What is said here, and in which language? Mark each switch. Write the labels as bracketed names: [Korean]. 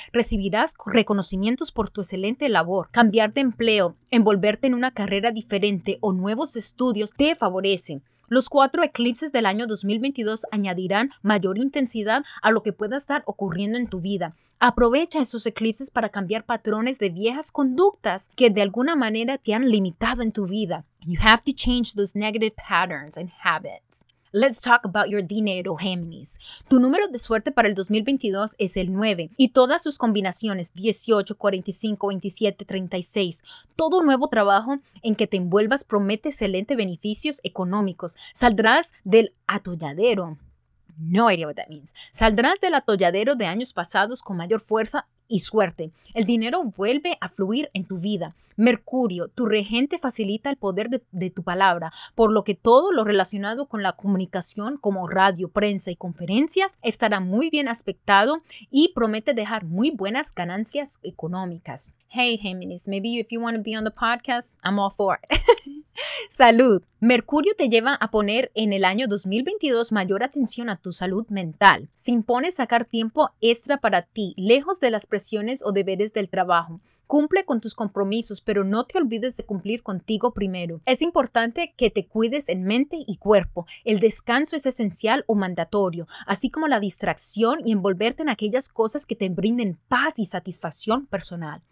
[Spanish] Recibirás reconocimientos por tu excelente labor. Cambiar de empleo, envolverte en una carrera diferente o nuevos estudios te favorecen. Los cuatro eclipses del año 2022 añadirán mayor intensidad a lo que pueda estar ocurriendo en tu vida. Aprovecha esos eclipses para cambiar patrones de viejas conductas que de alguna manera te han limitado en tu vida. [English] You have to change those negative patterns and habits. Let's talk about your dinero, Géminis. [Spanish] Tu número de suerte para el 2022 es el 9 y todas sus combinaciones 18, 45, 27, 36. Todo nuevo trabajo en que te envuelvas promete excelentes beneficios económicos. Saldrás del atolladero. [English] No idea what that means. [Spanish] Saldrás del atolladero de años pasados con mayor fuerza y suerte. El dinero vuelve a fluir en tu vida. Mercurio, tu regente, facilita el poder de tu palabra, por lo que todo lo relacionado con la comunicación, como radio, prensa y conferencias, estará muy bien aspectado y promete dejar muy buenas ganancias económicas. [English] Hey, Géminis, maybe if you want to be on the podcast, I'm all for it. [Spanish] Salud. Mercurio te lleva a poner en el año 2022 mayor atención a tu salud mental. Se impone sacar tiempo extra para ti, lejos de las presiones o deberes del trabajo. Cumple con tus compromisos, pero no te olvides de cumplir contigo primero. Es importante que te cuides en mente y cuerpo. El descanso es esencial o mandatorio, así como la distracción y envolverte en aquellas cosas que te brinden paz y satisfacción personal.